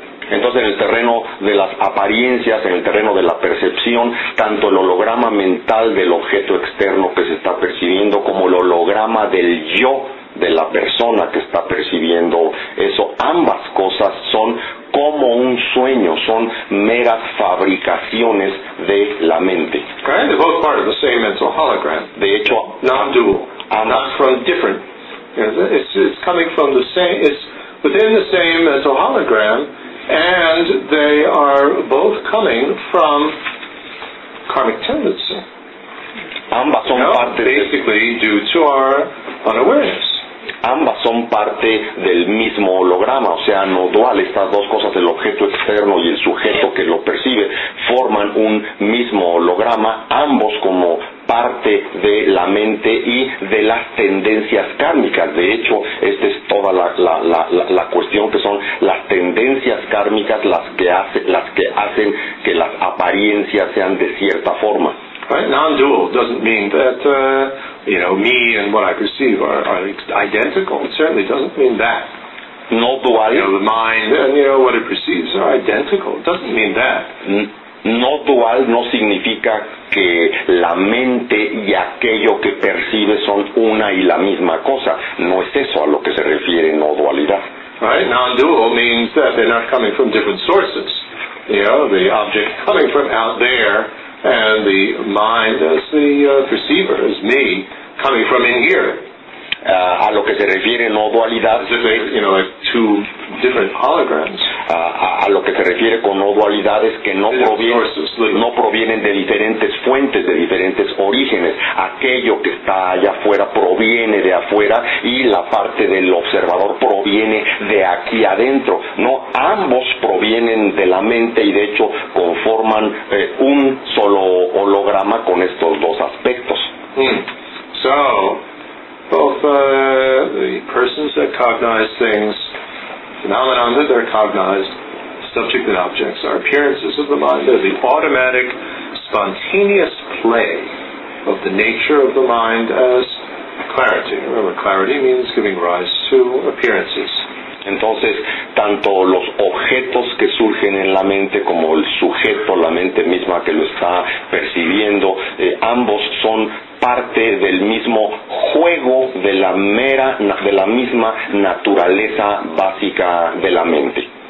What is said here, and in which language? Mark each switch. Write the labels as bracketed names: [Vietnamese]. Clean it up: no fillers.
[Spanish] Entonces, en el terreno de las apariencias, en el terreno de la percepción, tanto el holograma mental del objeto externo que se está percibiendo como el holograma del yo de la persona que está percibiendo eso, ambas cosas son como un sueño, son meras fabricaciones de la mente. [English] Okay, they're both part of the same mental hologram. [Spanish] De hecho, [English] non-dual, not from different. It's coming from the same, it's within the same as a hologram, and they are both coming from karmic tendency. [Spanish] Ambas son parte [English] basically due to our unawareness. [Spanish] Ambas son parte del mismo holograma, o sea, no dual. Estas dos cosas, el objeto externo y el sujeto que lo percibe, forman un mismo holograma, ambos como parte de la mente y de las tendencias kármicas. De hecho, esta es toda la cuestión, que son las tendencias kármicas las que hacen que las apariencias sean de cierta forma. [English] Right? Non-dual doesn't mean that me and what I perceive are identical. It certainly doesn't mean that. [Spanish] No dual. [English] The mind and what it perceives are identical. It doesn't mean that. [Spanish] No dual no significa que la mente y aquello que percibe son una y la misma cosa. No es eso a lo que se refiere no dualidad. [English] Right? Non-dual means that they're not coming from different sources. The object coming from out there, and the mind as the perceiver, as me, coming from in here. [Spanish] A lo que se refiere no dualidad, [English] as if they, two different holograms. [Spanish] A lo que se refiere con no dualidad es que no provienen de diferentes fuentes, de diferentes orígenes. Aquello que está allá afuera proviene de afuera, y la parte del observador proviene de aquí adentro. No, ambos provienen de la mente y de hecho conforman un solo holograma con estos dos aspectos. [English] So, both the persons that cognize things, phenomena that they're cognized, subject and objects, are appearances of the mind. They're the automatic, spontaneous play of the nature of the mind as clarity. Remember, clarity means giving rise to appearances. [Spanish] Entonces, tanto los objetos que surgen en la mente como el sujeto, la mente misma que lo está percibiendo, ambos son parte del mismo juego de la mera, de la misma naturaleza básica de la mente.